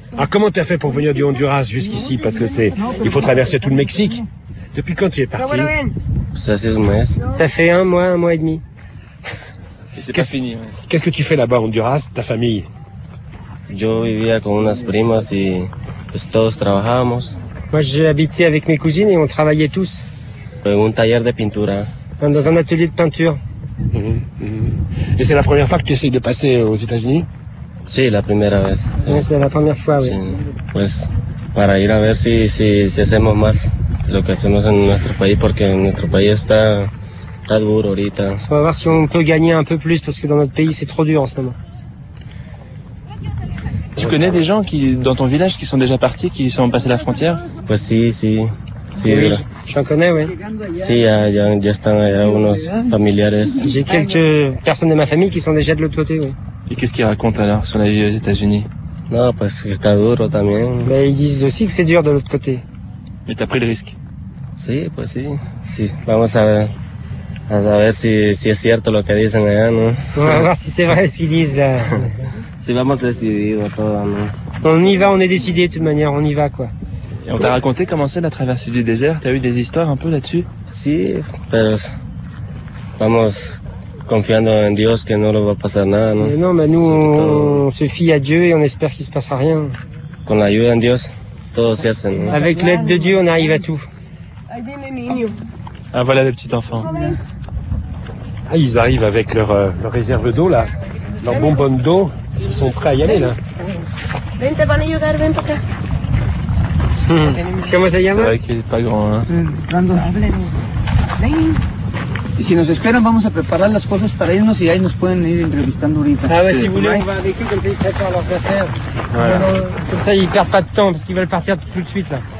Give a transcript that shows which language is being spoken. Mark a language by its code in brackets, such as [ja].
[fr] Alors comment tu as fait pour venir du Honduras jusqu'ici? Parce que il faut traverser tout le Mexique. Depuis quand tu es parti? Ça fait un mois et demi. Et c'est pas fini. Ouais. Qu'est-ce que tu fais là-bas, Honduras, ta famille? [es] Yo vivía con unas primas y pues todos trabajamos. [fr] Moi, j'ai habité avec mes cousines et on travaillait tous. [es] En un taller de pintura. [fr] Dans un atelier de peinture. Mm-hmm. Et c'est la première fois que tu essayes de passer aux États-Unis? [es] Sí, la primera vez. [fr] Ouais, c'est la première fois, oui. Sí. [es] Pues para ir a ver si hacemos más lo que hacemos en nuestro país, porque nuestro país está. [fr] On va voir si on peut gagner un peu plus parce que dans notre pays c'est trop dur en ce moment. Tu connais des gens qui dans ton village qui sont déjà partis, qui sont passés la frontière? [es] Pues si. [fr] Oui, j'en connais, oui. [es] Si, ya están allá unos familiares. [fr] J'ai quelques personnes de ma famille qui sont déjà de l'autre côté, oui. Et qu'est-ce qu'ils racontent alors sur la vie aux États-Unis? Non, parce que [es] está duro también. [fr] Mais ils disent aussi que c'est dur de l'autre côté. Mais t'as pris le risque? [es] Si, pues si. Si, vamos a ver. A ver si es cierto lo que dicen allá, ¿no? [fr] On va voir si c'est vrai ce qu'ils disent là. [es] Si vamos decidido todo, ¿no? [fr] On y va, on est décidé de toute manière, on y va quoi. Et on t'a raconté comment c'est la traversée du désert, t'as eu des histoires un peu là-dessus? [es] Si, pero vamos confiando en Dios que no lo va a pasar nada, ¿no? [fr] Mais non, mais nous on se fie à Dieu et on espère qu'il se passera rien. [es] Con la ayuda de Dios, todo se hace, ¿no? [fr] Avec l'aide de Dieu, on arrive à tout. Ah, voilà les petits enfants. Ah, ils arrivent avec leur réserve d'eau, là. Leur bonbonne d'eau. Ils sont prêts à y aller, là. Comment ça y est? C'est vrai qu'il n'est pas grand, hein. [es] Si nos esperan, vamos a preparar las cosas para irnos y ahí nos pueden ir entrevistando ahorita. [fr] Ah, si vous voulez, on va avec eux, comme ça, ils ne perdent pas de temps, parce qu'ils veulent partir tout de suite, là.